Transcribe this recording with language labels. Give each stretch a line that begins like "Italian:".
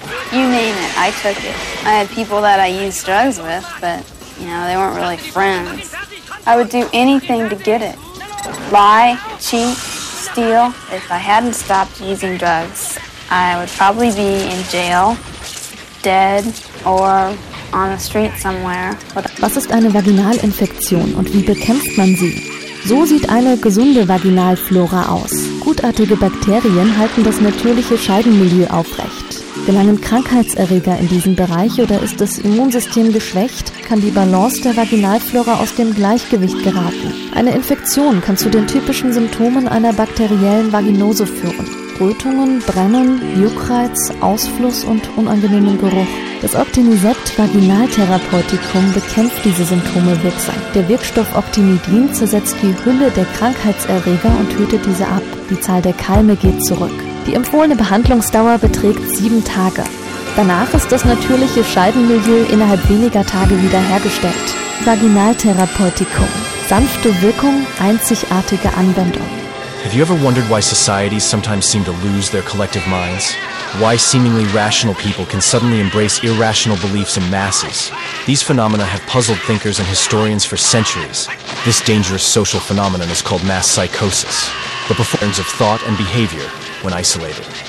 English: You name it, I took it. I had people that I used drugs with, but, you know, they weren't really friends. I would do anything to get it. Lie, cheat, steal. If I hadn't stopped using drugs, I would probably be in jail, dead, or on the street somewhere.
German: Was ist eine Vaginalinfektion und wie bekämpft man sie? So sieht eine gesunde Vaginalflora aus. Gutartige Bakterien halten das natürliche Scheidenmilieu aufrecht. Gelangen Krankheitserreger in diesen Bereich oder ist das Immunsystem geschwächt, kann die Balance der Vaginalflora aus dem Gleichgewicht geraten. Eine Infektion kann zu den typischen Symptomen einer bakteriellen Vaginose führen. Rötungen, Brennen, Juckreiz, Ausfluss und unangenehmen Geruch. Das Optinisept Vaginaltherapeutikum bekämpft diese Symptome wirksam. Der Wirkstoff Optinidin zersetzt die Hülle der Krankheitserreger und tötet diese ab. Die Zahl der Keime geht zurück. Die empfohlene Behandlungsdauer beträgt 7 Tage. Danach ist das natürliche Scheidenmilieu innerhalb weniger Tage wiederhergestellt. Vaginaltherapeutikum. Sanfte Wirkung, einzigartige Anwendung.
English: Have you ever wondered why societies sometimes seem to lose their collective minds? Why seemingly rational people can suddenly embrace irrational beliefs in masses? These phenomena have puzzled thinkers and historians for centuries. This dangerous social phenomenon is called mass psychosis, the patterns of thought and behavior when isolated.